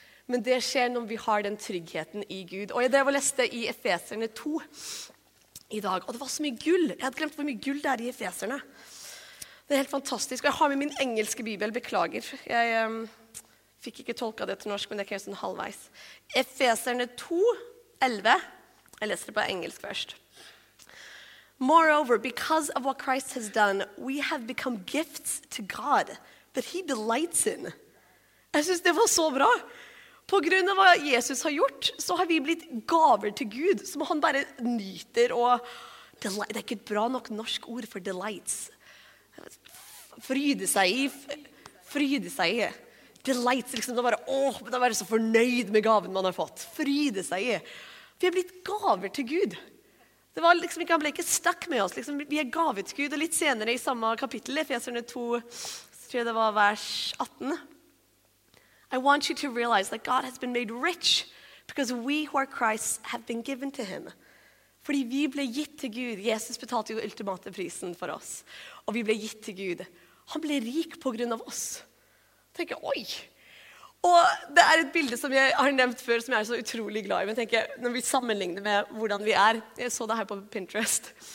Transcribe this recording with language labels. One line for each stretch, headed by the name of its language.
Norwegian: Men det skjer når vi har den tryggheten I Gud. Og det var leste I Efeserne 2 I dag. Og det var så mye gull. Jeg hadde glemt hvor mye gull det I Efeserne. Det helt fantastisk. Og jeg har med min engelske bibel, beklager. Jeg fikk ikke tolka det til norsk, men det kan jeg sånn halvveis. Efeserne 2, 11. Jeg leser det på engelsk først.
English: Moreover, because of what Christ has done, we have become gifts to God that he delights in.
Norwegian: Jeg synes det var så bra. På grunn av hva Jesus har gjort, så har vi blitt gaver til Gud, som han bare nyter. Og delight, det ikke et bra nok norsk ord for delights. Fryde seg i. Delights, liksom, det bare, det bare så fornøyd med gaven man har fått. Fryde seg I. Vi har blitt gaver til Gud. det var liksom han ble ikke stuck med oss. Liksom, vi gavet Gud, og litt senere I samme kapittel, Efeserne 2, så tror jeg det var vers 18.
English: I want you to realize that God has been made rich because we who are Christ have been given to him.
Norwegian: Fordi vi ble gitt til Gud. Jesus betalte jo ultimate prisen for oss. Og vi ble gitt til Gud. Han ble rik på grunn av oss. Jeg tenker, oi! Og det et bilde som jeg har nevnt før, som jeg så utrolig glad I. Men tenker, når vi sammenligner med hvordan vi jeg så det her på Pinterest.